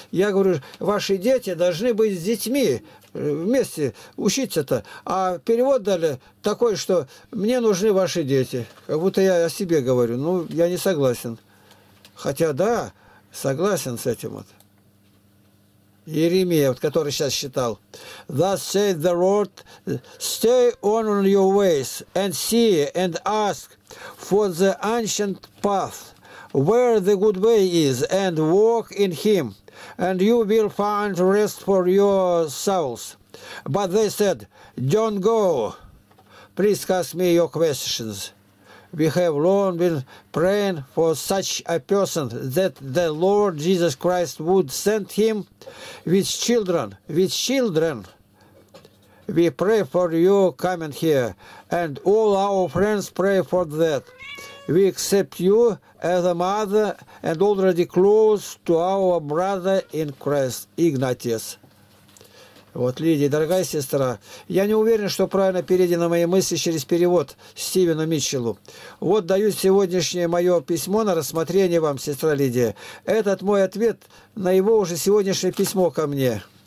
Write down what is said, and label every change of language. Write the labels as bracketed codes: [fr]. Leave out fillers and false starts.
[ru] Я говорю: ваши дети должны быть с детьми вместе учиться-то. А перевод дали такой, что мне нужны ваши дети. Как будто я о себе говорю. Ну, я не согласен. Хотя да, согласен с этим вот. Иеремия, вот, который сейчас считал. [en] Thus saith the Lord, stay on your ways and see and ask for the ancient path. Where the good way is, and walk in him, and you will find rest for your souls. But they said, don't go. Please ask me your questions. We have long been praying for such a person that the Lord Jesus Christ would send him with children. We pray for you coming here, and all our friends pray for that. We accept you as a mother and already close to our brother in Christ, Ignatius. [ru] Вот, Лидия, дорогая сестра, я не уверен, что правильно переведены мои мысли через перевод Стивену Митчеллу. Вот даю сегодняшнее мое письмо на рассмотрение вам, сестра Лидия. Этот мой ответ на его уже сегодняшнее письмо ко мне.